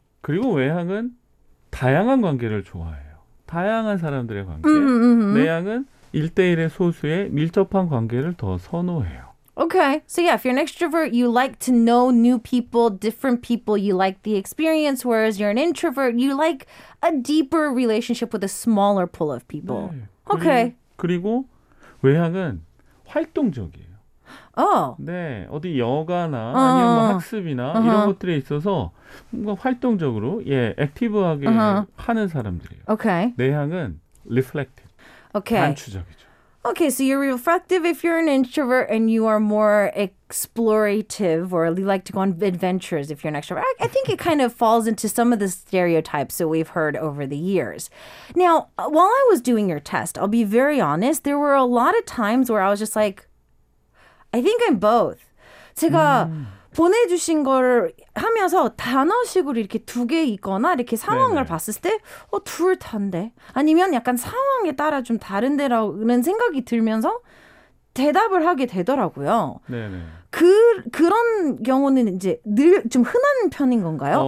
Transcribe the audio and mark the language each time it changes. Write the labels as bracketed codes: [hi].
[ko] 그리고 외향은 다양한 관계를 좋아해요. 다양한 사람들의 관계. 내향은 1대1의 소수의 밀접한 관계를 더 선호해요. [en] Okay. So yeah, if you're an extrovert, you like to know new people, different people. You like the experience, whereas you're an introvert, you like a deeper relationship with a smaller pool of people. [ko] 네. [en] Okay. [ko] 그리고 외향은 활동적이에요. [en] Oh. [ko] 네. 어디 여가나 아니면 뭐 학습이나 이런 것들에 있어서 뭔가 활동적으로 예, 액티브하게 하는 사람들이에요. [en] Okay. [ko] 내향은 reflective. [en] Okay. [ko] 반추적이죠. [en] Okay, so you're reflective if you're an introvert and you are more explorative or you like to go on adventures if you're an extrovert. I think it kind of falls into some of the stereotypes that we've heard over the years. Now, while I was doing your test, I'll be very honest, there were a lot of times where I was just like, I think I'm both. [ko] 제가 보내주신 거를 하면서 단어식으로 이렇게 두 개 있거나 이렇게 상황을 네네. 봤을 때 둘 다인데 아니면 약간 상황에 따라 좀 다른데라는 생각이 들면서 대답을 하게 되더라고요. 네네. 그런 경우는 이제 늘 좀 흔한 편인 건가요?